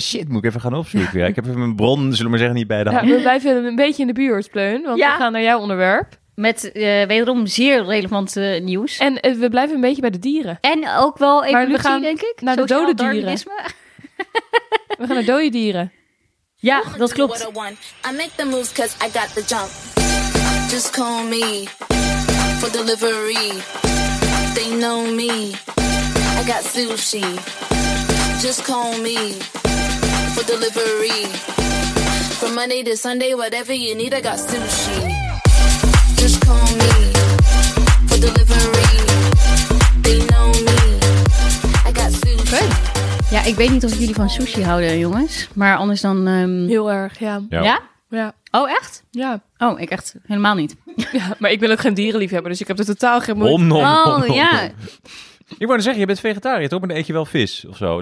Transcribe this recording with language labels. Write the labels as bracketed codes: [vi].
[nl] Shit, moet ik even gaan opzoeken. Ja. Ik heb even mijn bron, zullen we maar zeggen, niet bij de hand. Ja, we blijven een beetje in de buurt, Pleun. Want we gaan naar jouw onderwerp. Met wederom zeer relevante nieuws. En we blijven een beetje bij de dieren. En ook wel evolutie, maar we gaan denk ik. Naar de dode dieren. We gaan naar dode dieren. Ja, dat klopt. [en] I make the moves because I got the jump. Just call me for delivery. They know me. I got sushi. Just call me for delivery. From Monday to Sunday, whatever you need, I got sushi. Just call me for delivery. They know me. I got sushi. Hey. [nl] Ja, ik weet niet of jullie van sushi houden, jongens. Maar anders dan... Heel erg, ja. Ja? Ja. Oh, echt? Ja. Oh, ik echt helemaal niet. Ja, maar ik wil ook geen dierenliefhebber, dus ik heb er totaal geen moeite. Ja. Ik wou dan zeggen, je bent vegetariër, toch? Maar dan eet je wel vis of zo.